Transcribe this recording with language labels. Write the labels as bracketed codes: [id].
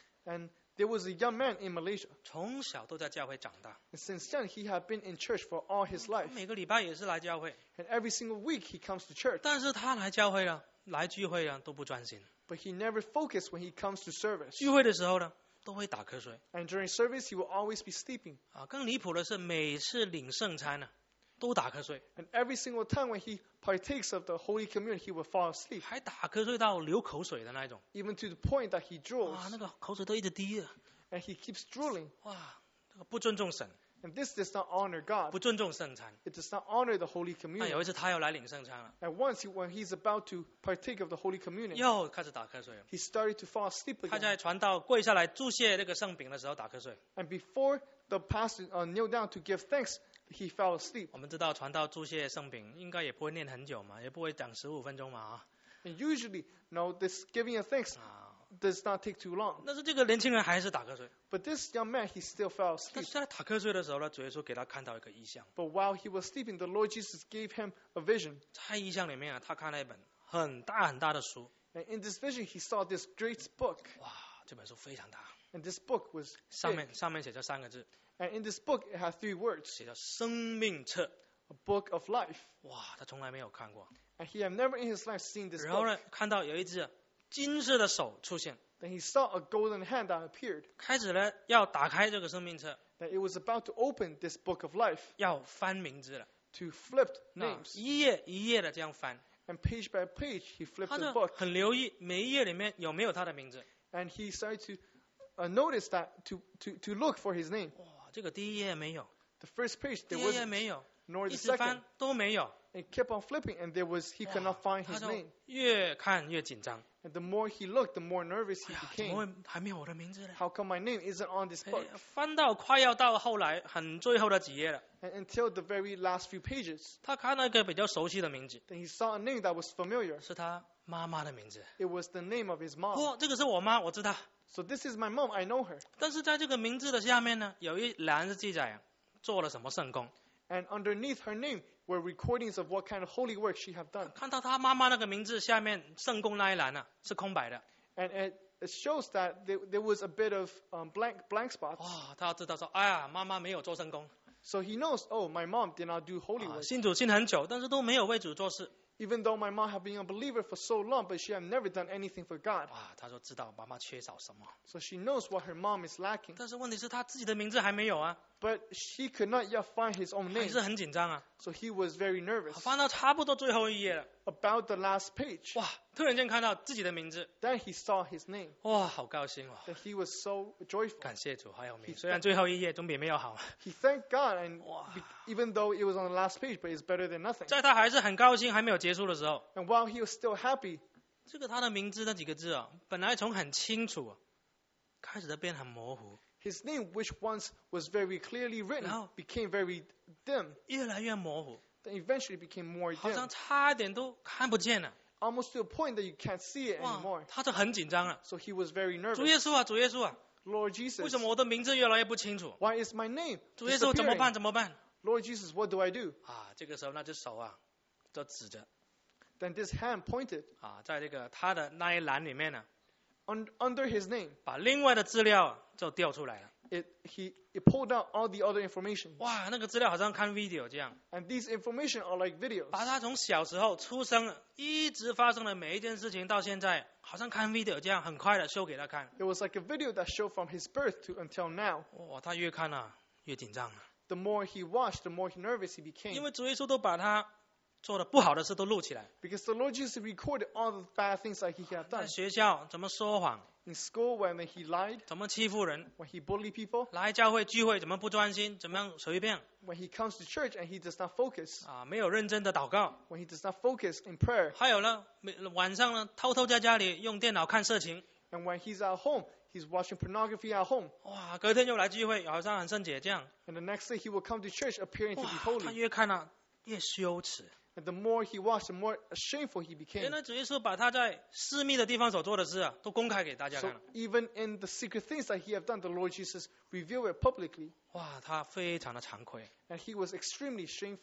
[en] And there was a young man in Malaysia. [zh] 从小都在教会长大。 [en] And since young, he had been in church for all his life. [zh] 每个礼拜也是来教会。 [en] And every single week, he comes to church. [zh] 但是他来教会了, 来聚会了, 都不专心。 [en] But he never focused when he comes to service. [zh] 聚会的时候呢,都会打瞌睡。 [en] And during service, he will always be sleeping. [zh] 啊，更离谱的是，每次领圣餐呢，都打瞌睡。 [en] And every single time when he partakes of the Holy Communion, he will fall asleep. [zh] 还打瞌睡到流口水的那种。 [en] Even to the point that he drools. [zh] 啊，那个口水都一直滴啊。 [en] And he keeps drooling. [zh] 哇，这个不尊重神。 [en] And this does not honor God. [zh] 不尊重圣餐。 [en] It does not honor the Holy Communion. [zh] 有一次他要来领圣餐了。 [en] And once he, when he's about to partake of the Holy Communion, [zh] 又开始打瞌睡了。 [en] He started to fall asleep again. [zh] 他在传道跪下来注谢那个圣饼的时候打瞌睡。 [en] And before the pastor kneeled down to give thanks, he fell asleep. [zh] 我们知道传道注谢圣饼应该也不会念很久嘛，也不会讲十五分钟嘛。 [en] And usually, no, this giving of thanks does not take too long. [zh] 但是这个年轻人还是打瞌睡。 [en] But this young man, he still fell asleep. [zh] 在打瞌睡的时候呢，主耶稣给他看到一个异象。 [en] But while he was sleeping, the Lord Jesus gave him a vision. [zh] 在异象里面啊，他看了一本很大很大的书。 [en] And in this vision, he saw this great book. [zh] 哇，这本书非常大。 [en] And this book was big. [zh] 上面写着三个字。 [en] And in this book, it has three words. [zh] 写着生命册。 [en] A book of life. [zh] 哇，他从来没有看过。 [en] And he had never in his life seen this book. [zh] 然后呢，看到有一只金色的手出现。 [en] Then he saw a golden hand that appeared. [zh] 开始了要打开这个生命册。 [en] That it was about to open this book of life. [zh] 要翻名字了。 [en] To flip names. [zh] 一页一页的这样翻。 [en] And page by page, he flipped the book. [zh] 很留意每一页里面有没有他的名字。 [en] And he started to notice that to look for his name. [zh] 哇，这个第一页没有。 [en] The first page there wasn't. [zh] 第一页没有。 [en] Nor the second. [zh] 一直翻都没有。 [en] And kept on flipping, and there was he could not find his name. [zh] 越看越紧张。 [en] And the more he looked, the more nervous he became. [zh] 怎么会还没有我的名字呢？ [en] How come my name isn't on this book? [zh] 翻到快要到后来很最后的几页了。 [en] And until the very last few pages. [zh] 他看到一个比较熟悉的名字。 [en] Then he saw a name that was familiar. [zh] 是他妈妈的名字。 [en] It was the name of his mom. [zh] 哦，这个是我妈，我知道。 [en] So this is my mom, I know her. [zh] 但是在这个名字的下面呢，有一栏是记载做了什么圣功。 [en] And underneath her name were recordings of what kind of holy work she had done. [zh] 看到她妈妈那个名字下面圣功那一栏呢，是空白的。 [en] And it shows that there was a bit of blank spots. [zh] 哇，她要知道说，哎呀，妈妈没有做圣功。 [en] So he knows, oh, my mom did not do holy work. [zh] 信主信很久，但是都没有为主做事。 [en] Even though my mom had been a believer for so long, but she had never done anything for God. [zh] 哇，她说知道妈妈缺少什么。 [en] So she knows what her mom is lacking. [zh] 但是问题是她自己的名字还没有啊。 [en] But she could not yet find his own name. [zh] 还是很紧张啊。 [en] So he was very nervous. [zh] 翻到差不多最后一页了。 [en] About the last page. [zh] 哇，突然间看到自己的名字。 [en] Then he saw his name. [zh] 哇，好高兴哦。 [en] That he was so joyful. [zh] 感谢主，还有名。虽然最后一页总比没有好。 [en] He thanked God, and even though it was on the last page, but it's better than nothing. [zh] 在他还是很高兴，还没有结束的时候。 [en] And while he was still happy, [zh] 这个他的名字那几个字啊，本来从很清楚，开始的变很模糊。 [en] His name, which once was very clearly written, became very dim. [zh] 越来越模糊。 [en] Then eventually became more dim. [zh] 好像差点都看不见了。 [en] Almost to a point that you can't see it anymore. [zh] 他就很紧张了。 [en] So he was very nervous. [zh] 主耶稣啊，主耶稣啊。 [en] Lord Jesus. [zh] 为什么我的名字越来越不清楚？ [en] Why is my name disappearing? [zh] 主耶稣怎么办？怎么办？ [en] Lord Jesus, what do I do? [zh] 啊，这个时候那只手啊，就指着。 [en] Then this hand pointed. [zh] 啊，在这个他的那一栏里面呢。 [en] Under his name. [zh] 把另外的资料就掉出来了。 [en] He pulled out all the other information. [zh] 哇，那个资料好像看 video 这样。 [en] And these information are like videos. [zh] 把他从小时候出生一直发生的每一件事情到现在，好像看 video 这样，很快的 show 给他看。 [en] It was like a video that showed from his birth to until now. [zh] 哇，他越看啊，越紧张啊。 [en] The more he watched, the more nervous he became. [zh] 因为主耶稣都把他做的不好的事都录起来。 [en] Because the Lord Jesus recorded all the bad things that he had done. [zh] 在学校怎么说谎。 [en] In school, when he lied, [zh] 怎么欺负人 [en] ？When he bullied people, [zh] 来教会聚会怎么不专心？怎么样随便 [en] ？When he comes to church and he does not focus, [zh] 啊，没有认真的祷告 [en] ？When he does not focus in prayer, [zh] 还有呢，晚上呢，偷偷在家里用电脑看色情 [en] ？And when he's at home, he's watching pornography at home. [zh] 哇，隔天又来聚会，好像很圣洁这样 [en] ？And the next day he will come to church appearing to be holy. [zh] 哇，他越看啊，越羞耻。 [en] And the more he watched, the more shameful he became. [zh] 原来主耶稣把他在私密的地方所做的事啊，都公开给大家看了。 [en] So even in the secret things that he had done, the Lord Jesus revealed it publicly. [zh] 哇，他非常的惭愧。 [en] And he was extremely shameful.